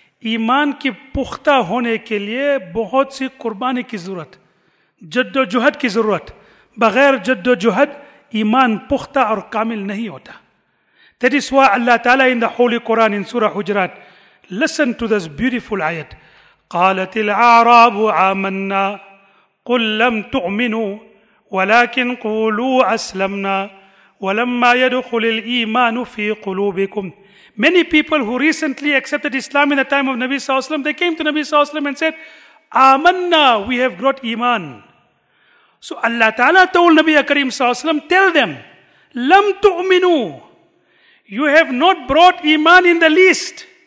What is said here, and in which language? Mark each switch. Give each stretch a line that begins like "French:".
Urdu: ایمان کی پختہ ہونے کے لیے بہت سی قربانی کی ضرورت، جد و جہد کی ضرورت. بغیر جد و جہد ایمان پختہ اور کامل نہیں ہوتا.
English: That is why Allah Ta'ala in the Holy Quran in Surah Hujurat, listen to this beautiful ayat.
Arabic: قالت الاعراب آمنا قل لم تؤمنوا ولكن قولوا اسلمنا ولما يدخل الايمان في قلوبكم.
English: Many people who recently accepted Islam in the time of Nabi Sallallahu Alaihi Wasallam, they came to Nabi Sallallahu Alaihi Wasallam and said, Amanna, we have got iman. So Allah Ta'ala told Nabi Kareem Sallallahu Alaihi Wasallam, tell them,
Arabic: Lam tu'minu,
English: you have not brought iman in the least.